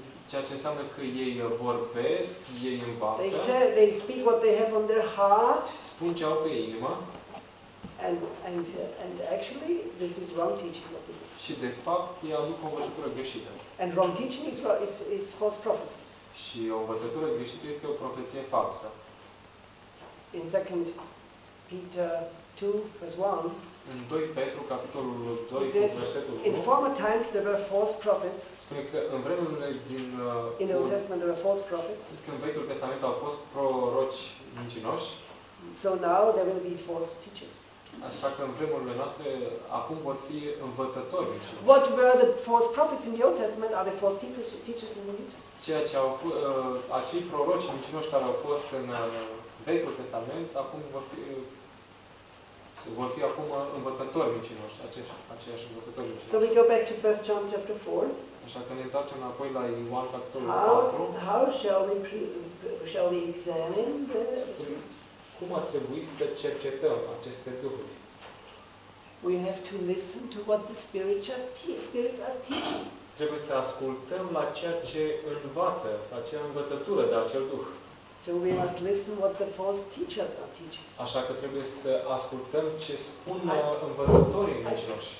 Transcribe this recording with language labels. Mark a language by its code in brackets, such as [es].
[ro] Ceea ce înseamnă că ei vorbesc, ei învață. [en] They say, they speak what they have on their heart. [ro] Spun ce au pe inimă. [en] And actually, this is wrong teaching. [ro] Și de fapt, ea aduce o învățătură greșită. [en] And wrong teaching is false prophecy. [ro] Și o învățătură greșită este o profeție falsă. [en] In 2 Peter 2, verse 1. [ro] În 2 Petru, capitolul 2, versetul 1. [en] In former times there were false prophets. [ro] Spune că în vremurile din [en] in the Old Testament there were false prophets. [ro] Când Vechiul Testament au fost proroci mincinoși. [en] So now there will be false teachers. [ro] Așa că în vremurile noastre acum vor fi învățători. [en] What were the false prophets in the Old Testament? Are the false teachers in the New Testament? [ro] Ceea ce au fost acei proroci mincinoși care au fost în Vechiul Testament, acum vor fi acum învățători mincinoși, aceiași învățători mincinoși. [en] So we go back to 1 John chapter 4. [ro] Așa că ne întoarcem înapoi la Ioan capitolul 4. [en] How shall we examine the spirits? [ro] Cum ar trebui să cercetăm aceste duhuri? [en] We have to listen to what the spirits are teaching. [ro] Trebuie să ascultăm la ceea ce învață, la ce învățătură de acel duh. [en] So we must listen what the false teachers are teaching. [ro] Așa că trebuie să ascultăm ce spun învățătorii mincinoși.